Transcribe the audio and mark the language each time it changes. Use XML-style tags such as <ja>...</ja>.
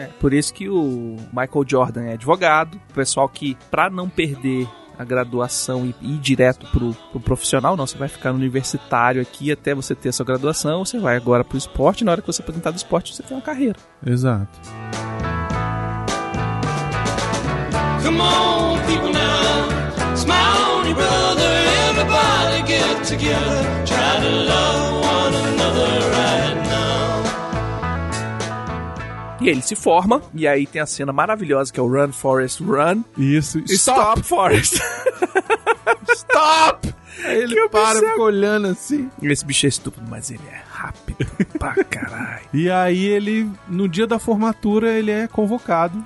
<pt>Por isso que o Michael Jordan é advogado, o pessoal que, pra não perder... a graduação e ir direto pro profissional. Não, você vai ficar no universitário aqui até você ter a sua graduação, você vai agora pro esporte, e na hora que você apresentar do esporte, você tem uma carreira. Exato.</pt> <en>Come on, people now, smile on your brother, everybody get together, try to love one another right now.</en> <pt>E ele se forma, e aí tem a cena maravilhosa que é o</pt> <en>Run, Forrest, Run.</en> <pt>Isso.</pt> <en>Stop, Forrest. Stop!</en> <pt>Ele que para, fica olhando assim. Esse bicho é estúpido, mas ele é rápido pra caralho. E aí ele, no dia da formatura, ele é convocado.</pt>